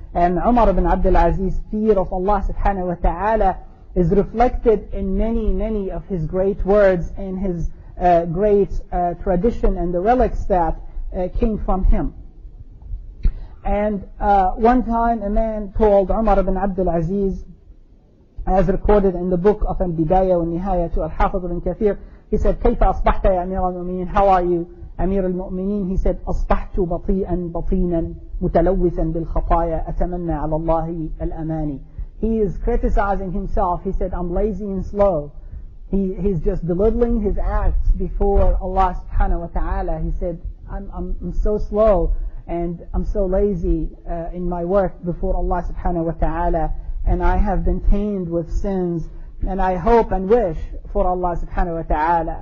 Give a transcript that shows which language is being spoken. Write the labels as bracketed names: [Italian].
[English] And Umar ibn Abdul Aziz, fear of Allah subhanahu wa ta'ala, is reflected in many, many of his great words and his great tradition and the relics that came from him. And one time a man called Umar ibn Abdul Aziz, as recorded in the book of Al-Bidayah wa Nihaya to Al-Hafiz ibn Kathir, he said, [Arabic] كيف أصبحت يا أمير المؤمنين? [English] How are you, أمير المؤمنين? [Arabic] He said, أصبحت بطيئا بطينا متلوثا بالخطايا أتمنى على الله الأماني. [English] He is criticizing himself. He said, I'm lazy and slow. He's just belittling his acts before Allah subhanahu wa ta'ala. He said, I'm so slow and I'm so lazy in my work before Allah subhanahu wa ta'ala, and I have been tainted with sins, and I hope and wish for Allah subhanahu wa ta'ala.